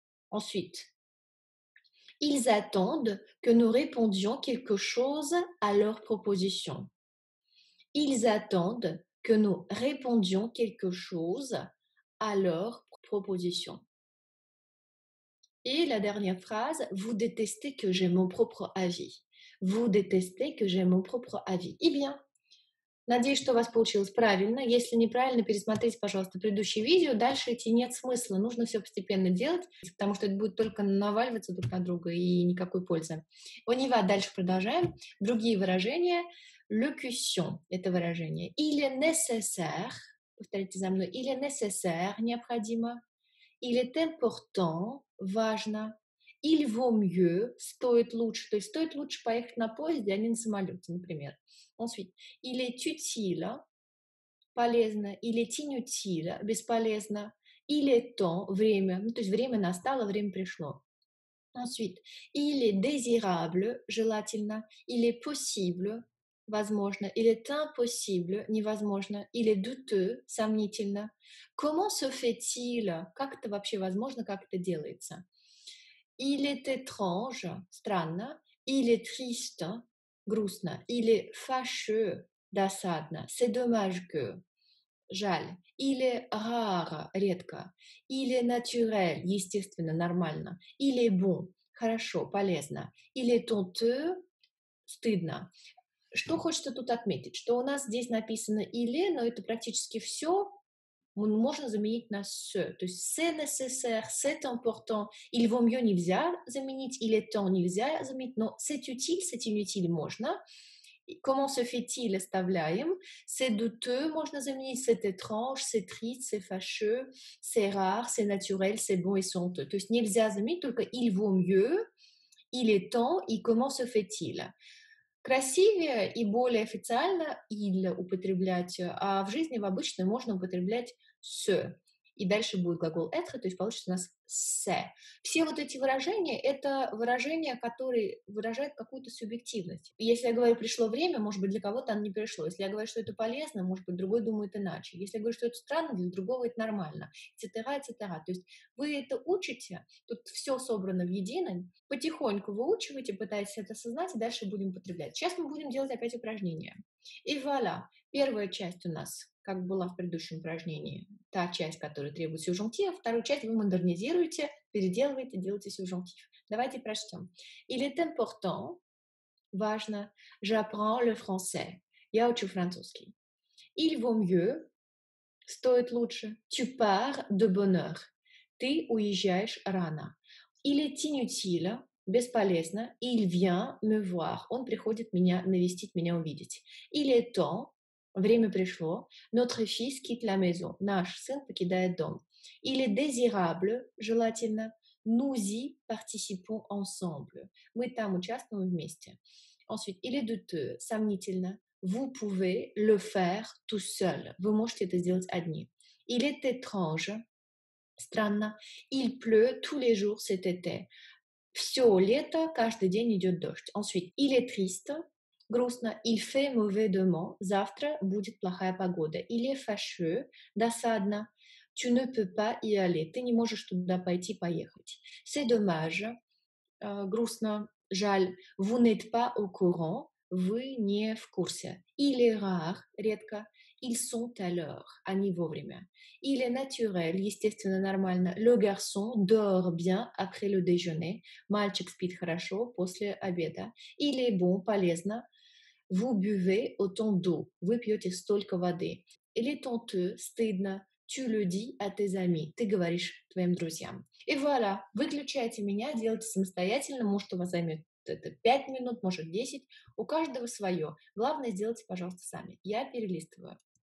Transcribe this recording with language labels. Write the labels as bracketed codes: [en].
[fr] Ensuite, ils attendent que nous répondions quelque chose à leur proposition. Ils attendent que nous répondions quelque chose à leur proposition. Et la dernière phrase, vous détestez que j'ai mon propre avis. Vous détestez que j'ai mon propre avis. Eh bien, [ru] надеюсь, что у вас получилось правильно. Если неправильно, пересмотрите, пожалуйста, предыдущее видео. Дальше идти нет смысла. Нужно все постепенно делать, потому что это будет только наваливаться друг на друга и никакой пользы. [fr] On y va, [ru] дальше продолжаем. Другие выражения. Locution – это выражение. [fr] Il est nécessaire. [ru] Повторите за мной. [fr] Il est nécessaire – необходимо. Il est important – важно. Il vaut mieux, [ru] стоит лучше. То есть стоит лучше поехать на поезде, а не на самолете, например. [fr] Ensuite, il est utile, полезно. Il est inutile, бесполезно. Il est temps, время. [ru] Ну, то есть время настало, время пришло. [fr] Ensuite, il est désirable, желательно. Il est possible, возможно. Il est impossible, невозможно. Il est douteux, сомнительно. Comment se fait-il? [ru] Как это вообще возможно, как это делается? [fr] Il est étrange, странно, il est triste, грустно, il est fâcheux, досадно, c'est dommage que, жаль, il est rare, редко, il est naturel, [ru] естественно, нормально, [fr] il est bon, [ru] хорошо, полезно, [fr] il est honteux, стыдно. [ru] Что хочется тут отметить, что у нас здесь написано il est, но это практически все. Можно заменить на «se». [fr] То есть «c'est nécessaire», «c'est important», «il vaut mieux» [ru] нельзя заменить, [fr] «il est temps» нельзя заменить, но «c'est utile», «c'est inutile» можно. «Comment se fait-il» оставляем. «C'est douteux» [ru] можно заменить, [fr] «c'est étrange», «c'est triste», «c'est fâcheux», «c'est rare», «c'est naturel», «c'est bon» et «sont». [ru] То есть нельзя заменить, только [fr] «il vaut mieux», «il est temps» [ru] и [fr] «comment se fait-il». [ru] Красивее и более официально «il» употреблять, а в жизни, в обычной, можно употреблять «se». И дальше будет глагол «être», то есть получится у нас «se». Все вот эти выражения – это выражения, которые выражают какую-то субъективность. Если я говорю «пришло время», может быть, для кого-то оно не пришло. Если я говорю, что это полезно, может быть, другой думает иначе. Если я говорю, что это странно, для другого это нормально. Цитера, цитера. То есть вы это учите, тут все собрано в единое, потихоньку выучиваете, пытаетесь это осознать, и дальше будем употреблять. Сейчас мы будем делать опять упражнения. И вуаля, первая часть у нас – как была в предыдущем упражнении, та часть, которая требует сюжунктива, вторую часть вы модернизируете, переделываете, делаете сюжунктив. Давайте прочтем. [fr] Il est important, важно, j'apprends le français. [ru] Я учу французский. [fr] Il vaut mieux, [ru] стоит лучше. [fr] Tu pars de bonne heure. [ru] Ты уезжаешь рано. [fr] Il est inutile, бесполезно. Il vient me voir. [ru] Он приходит меня навестить, меня увидеть. [fr] Il est temps. [ru] Время пришло. [fr] Notre fils quitte la maison. [ru] Наш сын покидает дом. [fr] Il est désirable, желательно. Nous y participons ensemble. [ru] Мы там участвуем вместе. [fr] Ensuite, il est douteux, сомнительно. Vous pouvez le faire tout seul. [ru] Вы можете это сделать одни. [fr] Il est étrange, странно. Il pleut tous les jours cet été. [ru] Все лето, каждый день идет дождь. [fr] Ensuite, il est triste. Грустно. Il fait mauvais demain. [ru] Завтра будет плохая погода. [fr] Il est fâcheux. Досадно. Tu ne peux pas y aller. [ru] Ты не можешь туда пойти, поехать. [fr] C'est dommage. Грустно. Жаль. Vous n'êtes pas au courant. [ru] Вы не в курсе. [fr] Il est rare. [ru] Редко. [fr] Ils sont à l'heure. [ru] Они вовремя. [fr] Il est naturel. [ru] Естественно, нормально. [fr] Le garçon dort bien après le déjeuner. [ru] Мальчик спит хорошо после обеда. [fr] Il est bon. Полезно. Vous buvez autant d'eau. [ru] Вы пьете столько воды. [fr] Il est honteux. [ru] Стыдно. [fr] Tu le dis à tes amis. [ru] Ты говоришь твоим друзьям. И voilà. Выключайте меня. Делайте самостоятельно. Может, у вас займет это 5 минут, может 10, у каждого свое. Главное, сделайте, пожалуйста, сами. Я перелистываю.